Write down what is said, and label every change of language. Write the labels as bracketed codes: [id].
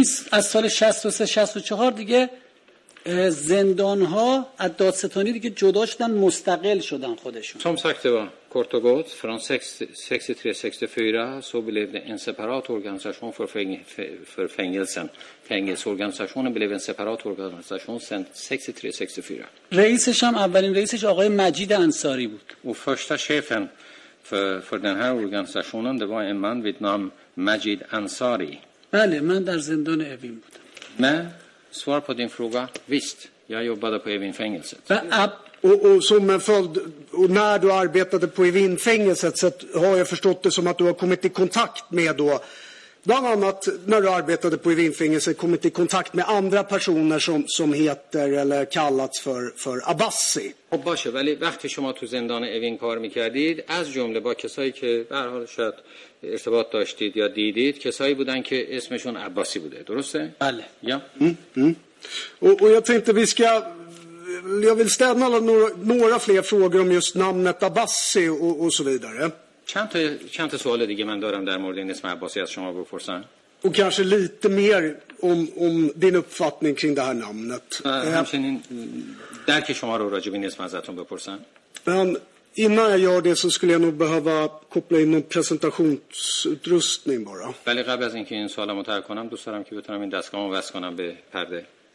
[fa] از سال 63-64 دیگه زندان ها از دادستانی دیگه جدا شدن، مستقل شدن خودشون. [sv] Som sagt det var kort och gott från 63-64 så blev det en separat organisation för fängelsen. Fängelseorganisationen blev en separat organisation sen 63-64. [fa] رئیسش هم اولین رئیسش آقای مجید انصاری بود. [sv] Och första chefen för den här organisationen det var en man vid namn Majid Ansari. [fa] بله من در زندان اوین بودم. [sv] من svar på din fråga. Visst, jag jobbade på Evinfängelset. Och som en följd, och när du arbetade på Evinfängelset så har jag förstått det som att du har kommit i kontakt med då Bland annat när du arbetade på Evinfängelse kommit i kontakt med andra personer som heter eller kallats för Abbasi. [fa] باشه ولی وقتی شما تو زندان اوین کار می‌کردید از جمله با کسایی که به هر حال شاید ارتباط داشتید یا دیدید کسایی بودن که اسمشون عباسی بوده درسته؟ بله. یا [sv] و jag tänkte vi ska jag vill ställa några fler frågor om just namnet Abbasi och så vidare. [fa] Chanta سوال دیگه من دارم در مورد این اسم عباسی از شما بپرسم. [sv] Och kanske lite mer om din uppfattning kring det här namnet. [fa] همچنین درک شما رو راجع به این اسم ازتون بپرسم. [sv] Men innan jag gör det så skulle jag nog behöva koppla in någon presentationsutrustning bara. [fa] ولی قبل از اینکه این سوالمو طرح کنم دوست دارم که بتونم این دستگاهمو وصل کنم به پرده.